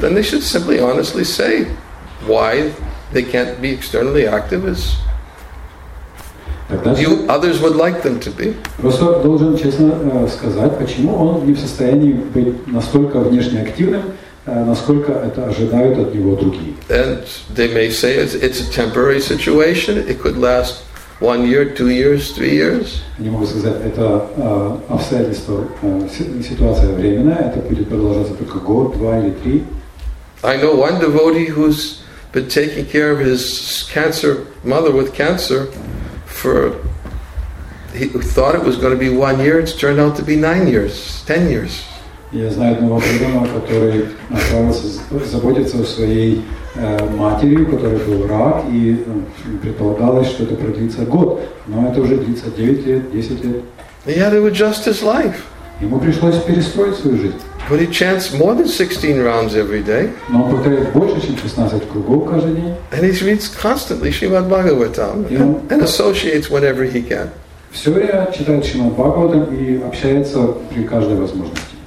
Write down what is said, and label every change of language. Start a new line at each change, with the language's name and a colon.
English: Then they should simply honestly say why they can't be externally active as you others would like them to be.
Russian: Просто должен честно сказать, почему он не в состоянии быть настолько внешне активным, насколько это ожидают от него другие.
English: And they may say it's a temporary situation. It could last 1 year, 2 years, 3 years.
Russian: Они могут сказать, это обстоятельство, ситуация временная, это будет продолжаться только год, два или три.
English: I know one devotee who's been taking care of his cancer mother with cancer for he thought it was going to be 1 year, it's turned out to be 9 years, 10 years.
Russian: Я знаю одного преданного, который оказался заботиться о своей матери, у которой был рак, и предполагалось, что это продлится год, но это уже длится 9 лет, 10 лет.
English: He had to adjust his life.
Russian: Ему пришлось перестроить свою жизнь.
English: But he chants more than 16 rounds every day.
Russian: Но он повторяет больше, чем 16 кругов каждый день.
English: And he reads constantly Shrimad Bhagavatam and associates whenever he can.
Russian: Все время читает Шримад Бхагаватам и общается при каждой возможности.